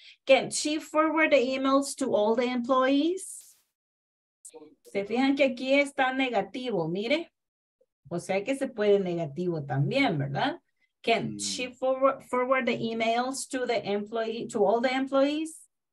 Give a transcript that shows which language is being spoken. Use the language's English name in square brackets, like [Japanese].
[English] Can she forward the emails to all the employees? [Spanish] Se fijan que aquí está negativo, mire. O sea que se puede negativo también, ¿verdad? [English] Can she forward the emails to the employee, to all the employees?